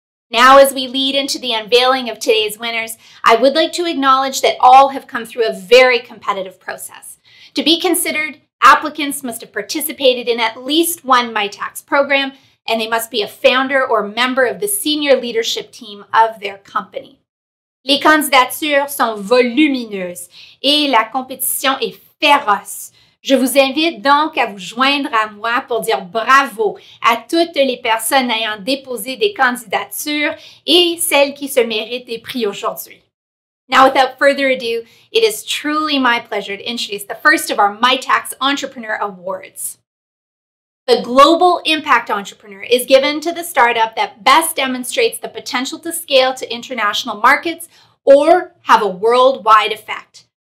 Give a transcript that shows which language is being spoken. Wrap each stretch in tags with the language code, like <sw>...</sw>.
<en>Now, as we lead into the unveiling of today's winners, I would like to acknowledge that all have come through a very competitive process. To be considered, applicants must have participated in at least one Mitacs program, and they must be a founder or member of the senior leadership team of their company.</en> <fr>Les candidatures sont volumineuses et la compétition est féroce. Je vous invite donc à vous joindre à moi pour dire bravo à toutes les personnes ayant déposé des candidatures et celles qui se méritent des prix aujourd'hui.</fr> <en>Now, without further ado, it is truly my pleasure to introduce the first of our Mitacs Entrepreneur Awards. The Global Impact Entrepreneur is given to the startup that best demonstrates the potential to scale to international markets or have a worldwide effect.</en>